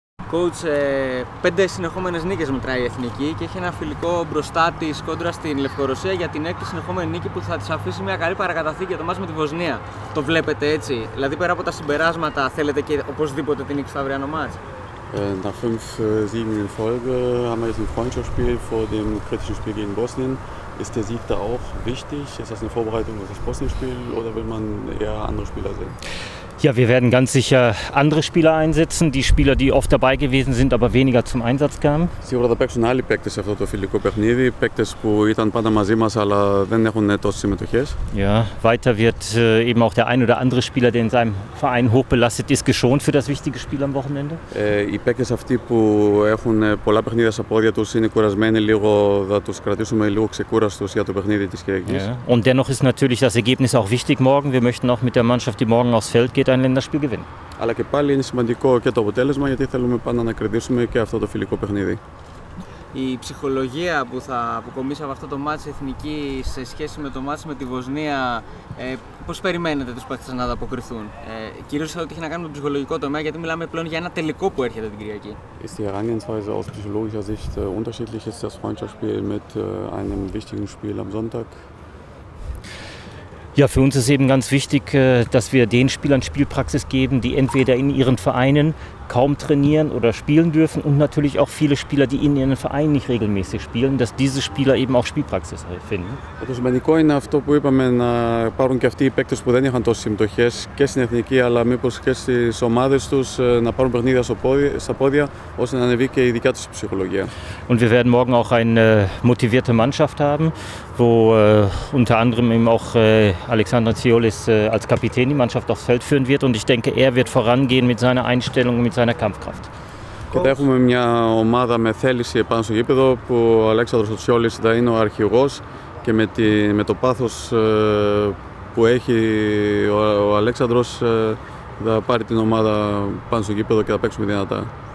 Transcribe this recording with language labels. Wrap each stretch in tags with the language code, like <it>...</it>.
<el>coach, 5 συνεχόμενες νίκες μετράει η Εθνική και έχει ένα φιλικό μπροστά της κόντρα στην Λευκορωσία για την 6η συνεχόμενη νίκη που θα της αφήσει μια καλή παρακαταθήκη για το μάτς με τη Βοσνία. Το βλέπετε έτσι, δηλαδή πέρα από τα συμπεράσματα θέλετε και οπωσδήποτε την νίκη στο αυριανό μάτς.</el> <de>Nach 5 Siegen in Folge haben wir jetzt ein Freundschaftsspiel vor dem kritischen Spiel gegen Bosnien. Ist der Sieg da auch wichtig? Ist das eine Vorbereitung auf das Bosnien-Spiel oder will man eher andere Spieler sehen? Ja, wir werden ganz sicher andere Spieler einsetzen, die Spieler, die oft dabei gewesen sind, aber weniger zum Einsatz kamen.</de> <el>Σίγουρα θα παίξουν άλλοι παίκτες σε αυτό το φιλικό παιχνίδι, παίκτες που ήταν πάντα μαζί μας, αλλά δεν έχουν τόσες συμμετοχές.</el> <de>Ja, weiter wird eben auch der ein oder andere Spieler, der in seinem Verein hochbelastet ist, geschont für das wichtige Spiel am Wochenende.</de> <el>Οι παίκτες αυτοί που έχουν πολλά παιχνίδια στα πόδια τους είναι κουρασμένοι λίγο, θα τους κρατήσουμε λίγο ξεκούραστους για το παιχνίδι της Κυριακής.</el> <de>Und dennoch ist natürlich das Ergebnis auch wichtig morgen. Wir möchten auch mit der Mannschaft, die morgen aufs Feld geht, ein Länderspiel gewinnen.</de> <el>Αλλά και πάλι είναι σημαντικό και το αποτέλεσμα γιατί θέλουμε πάντα να κερδίσουμε και αυτό το φιλικό παιχνίδι. Η ψυχολογία που θα αποκομίσει από αυτό το μάτς εθνική σε σχέση με το μάτς με τη Βοσνία, πώς περιμένετε τους παίκτες να ανταποκριθούν? Κυρίως ότι έχει να κάνει με τον ψυχολογικό τομέα, γιατί μιλάμε πλέον για ένα τελικό που έρχεται την Κυριακή.</el> <de>Ist die Herangehensweise aus psychologischer Sicht unterschiedlich? Ist das Freundschaftsspiel mit einem wichtigen Spiel am Sonntag? Ja, für uns ist eben ganz wichtig, dass wir den Spielern Spielpraxis geben, die entweder in ihren Vereinen kaum trainieren oder spielen dürfen und natürlich auch viele Spieler, die in ihren Vereinen nicht regelmäßig spielen, dass diese Spieler eben auch Spielpraxis finden.</de> <el>Το σημαντικό είναι αυτό που είπαμε, να πάρουν και αυτοί οι παίκτες που δεν είχαν τόσες συμμετοχές και στην Εθνική, αλλά μήπως και στις ομάδες τους, να πάρουν παιχνίδια στα πόδια, ώστε να ανεβεί και η δικιά τους ψυχολογία.</el> <de>Und wir werden morgen auch eine motivierte Mannschaft haben, wo unter anderem eben auch Alexander Tsiolis als Kapitän die Mannschaft aufs Feld führen wird und ich denke, er wird vorangehen mit seiner Einstellung, mit seiner Kampfkraft.</de> <el>Και θα έχουμε μια ομάδα με θέληση επάνω στο γήπεδο που ο Αλέξανδρος Τσιόλης θα είναι ο αρχηγός και με το πάθος που έχει ο Αλέξανδρος θα πάρει την ομάδα πάνω στο γήπεδο και θα παίξουμε δυνατά.</el>